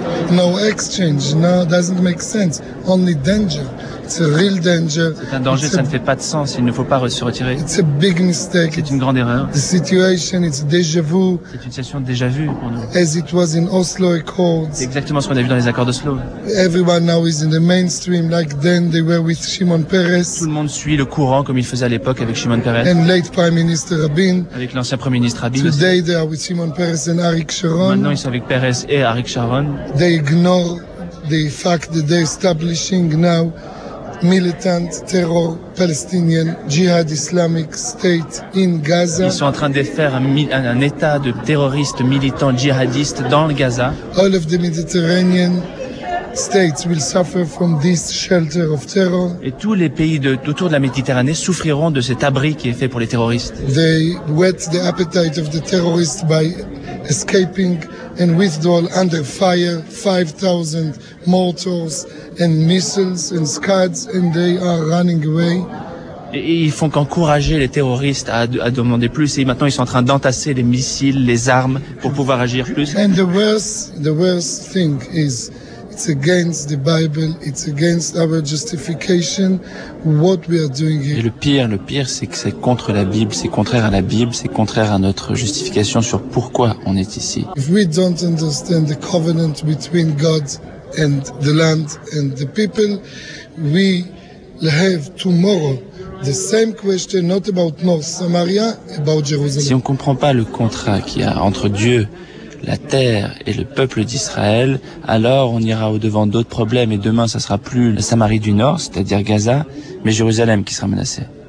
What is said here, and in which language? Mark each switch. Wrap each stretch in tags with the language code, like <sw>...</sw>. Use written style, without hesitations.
<en>No exchange, no, doesn't make sense. Only danger. It's a real danger.</en> <fr>C'est un danger, ça ne fait pas de sens. Il ne faut pas se retirer.</fr> <en>It's a big mistake.</en> <fr>C'est une grande erreur.</fr> <en>The situation, it's déjà vu.</en> <fr>C'est une situation déjà vue pour nous.</fr> <en>As it was in Oslo Accords.</en> <fr>C'est exactement ce qu'on a vu dans les accords d'Oslo.</fr> <en>Everyone now is in the mainstream, like then they were with Shimon Peres.</en> <fr>Tout le monde suit le courant comme il faisait à l'époque avec Shimon Peres.</fr> <en>And late Prime Minister Rabin.</en> <fr>Avec l'ancien Premier ministre Rabin.</fr> <en>Today they are with Shimon Peres and Arik Sharon.</en> <fr>Maintenant ils sont avec Peres et Arik Sharon.</fr> <en>They ignore the fact that they're establishing now militant terror Palestinian jihad Islamic state in Gaza.</en> <fr>Ils sont en train de faire un état de terroristes militants djihadistes dans le Gaza.</fr> <en>All of the Mediterranean states will suffer from this shelter of terror.</en> <fr>Et tous les pays autour de la Méditerranée souffriront de cet abri qui est fait pour les terroristes.</fr> <en>They whet the appetite of the terrorists by escaping and withdrawal under fire, 5,000 mortars and missiles and scuds, and they are running away.</en> <fr>Et ils font qu'encourager les terroristes à demander plus, et maintenant ils sont en train d'entasser les missiles, les armes, pour pouvoir agir plus.</fr> <en>And the worst thing is, it's against the Bible, it's against our justification, what we are doing here.</en> <fr>Et le pire, c'est que c'est contre la Bible, c'est contraire à la Bible, c'est contraire à notre justification sur pourquoi on est ici.</fr> <en>If we don't understand the covenant between God and the land and the people, we have tomorrow the same question, not about North Samaria, about Jerusalem.</en> <fr>Si on ne comprend pas le contrat qu'il y a entre Dieu, la terre et le peuple d'Israël, alors on ira au-devant d'autres problèmes et demain ça sera plus la Samarie du Nord, c'est-à-dire Gaza, mais Jérusalem qui sera menacée.</fr>